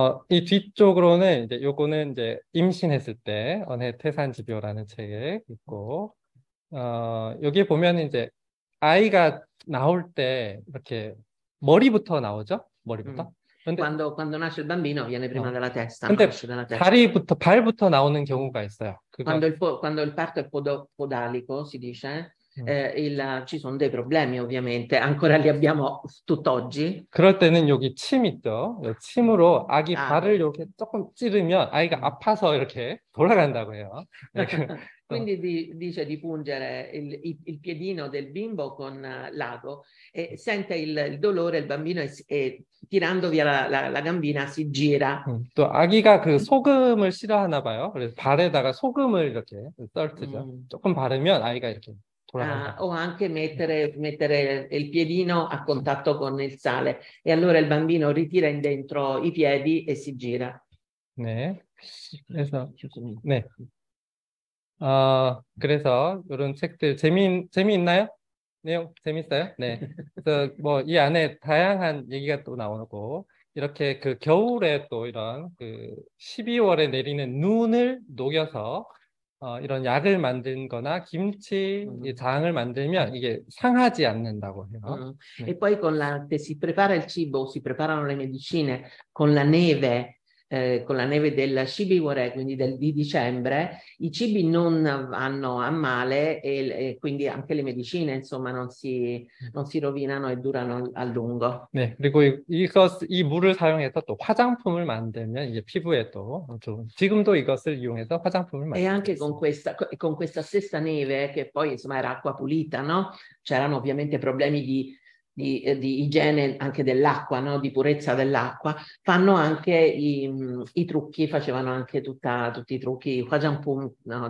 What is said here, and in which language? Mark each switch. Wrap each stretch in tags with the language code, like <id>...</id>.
<ko>이 뒤쪽으로는 이제 요거는 이제 임신했을 때 언해 태산지병이라는 책에 있고, 여기 보면 이제 아이가 나올 때 이렇게 머리부터 나오죠? 머리부터?</ko> <it>Quando nasce il bambino viene prima della testa, Quando nasce dalla testa.</it> <ko>다리부터 발부터 나오는 경우가 있어요. 그거.</ko> <it>Quando il parto è podalico, si dice, ci sono dei problemi ovviamente, ancora li abbiamo tutt'oggi.</it> <ko>그럴 때는 여기 침 있죠. 요 침으로 아기 발을 이렇게 조금 찌르면 아이가 아파서 이렇게 돌아간다고 해요.</ko> <it>Quindi dice di pungere il piedino del bimbo con l'ago e sente il dolore, il bambino e tirando via la gambina si gira.</it> <ko>또 아기가 그 소금을 싫어하나 봐요. 그래서 발에다가 소금을 이렇게 떨트죠. 조금 바르면 아이가 이렇게</ko> <it>O anche mettere il piedino a contatto con il sale e allora il bambino ritira in dentro i piedi e si gira.</it> <ko>네, 그래서 네. 그래서 이런 책들 재미있나요? 내용 재밌어요? 네. 그래서 뭐 이 안에 다양한 얘기가 또 나오고 이렇게 그 겨울에 또 이런 그 12월에 내리는 눈을 녹여서 이런 약을 만든거나 김치 장을 만들면 이게 상하지 않는다고 해요.</ko> <it>E poi con la che si prepara il cibo, si preparano le medicine con la neve. Con la neve del Shibiwore, quindi di dicembre, i cibi non vanno a male e quindi anche le medicine, insomma, non si rovinano e durano a lungo.</it> <ko>네, 그리고 이 물을 사용해서 또 화장품을 만들면 이제 피부에 또 지금도 이것을 이용해서 화장품을 만들고</ko> <it>E anche con questa stessa neve, che poi insomma era acqua pulita, no? C'erano ovviamente problemi di igiene anche dell'acqua, no? Di purezza dell'acqua, fanno anche i trucchi, facevano anche tutti i trucchi, no?</it>